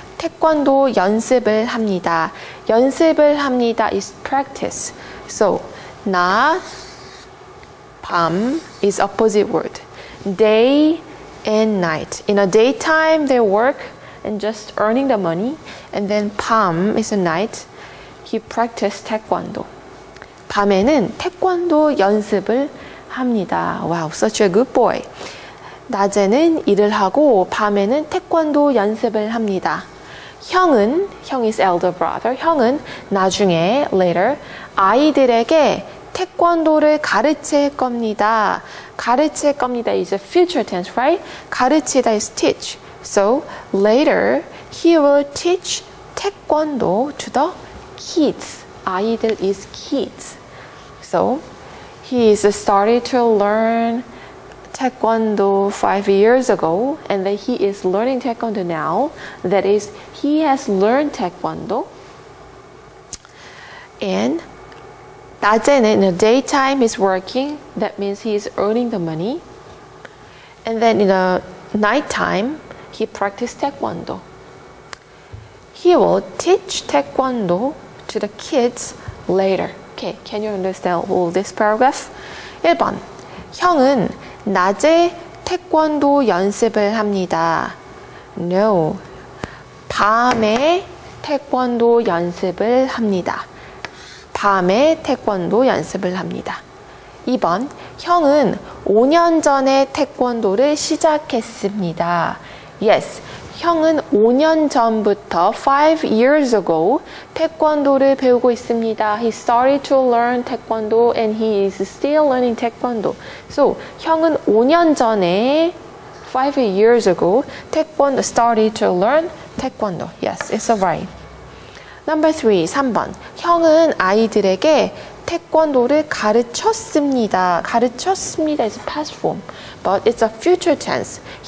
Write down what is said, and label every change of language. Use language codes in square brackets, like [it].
[ko] 태권도 연습을 합니다. 연습을 합니다 [en] is practice. So, 밤 is opposite word. Day and night. In the daytime, they work and just earning the money. And then 밤 is a night. He practice 태권도. [ko] 밤에는 태권도 연습을 합니다. [en] Wow, such a good boy. [ko] 낮에는 일을 하고 밤에는 태권도 연습을 합니다. [en] 형 is elder brother. [ko] 형은 나중에, [en] later, [ko] 아이들에게 태권도를 가르칠 겁니다. 가르칠 겁니다 [en] is a future tense, right? [ko] 가르치다 [en] is teach. So, later, he will teach 태권도 to the kids. 아이들 is kids. So, he is started to learn taekwondo 5 years ago, and then he is learning taekwondo now. That is, he has learned taekwondo. And [ko] 낮에는 [en] in the daytime is working. That means he is earning the money. And then in the nighttime, he practice taekwondo. He will teach taekwondo to the kids later. Okay, can you understand all this paragraph? [ko] 1번 형은 낮에 태권도 연습을 합니다. [en] No. [ko] 밤에 태권도 연습을 합니다. 밤에 태권도 연습을 합니다. 2번. 형은 5년 전에 태권도를 시작했습니다. Yes. 형은 5년 전부터 [en] 5 years ago [ko] 태권도를 배우고 있습니다. [en] He started to learn taekwondo and he is still learning taekwondo. So, [ko] 형은 5년 전에 [en] 5 years ago started to learn taekwondo. Yes, it's right. Number 3, [ko] 3번. 형은 아이들에게 태권도를 가르쳤습니다. [en] 가르쳤습니다 is past form, but it's a future tense.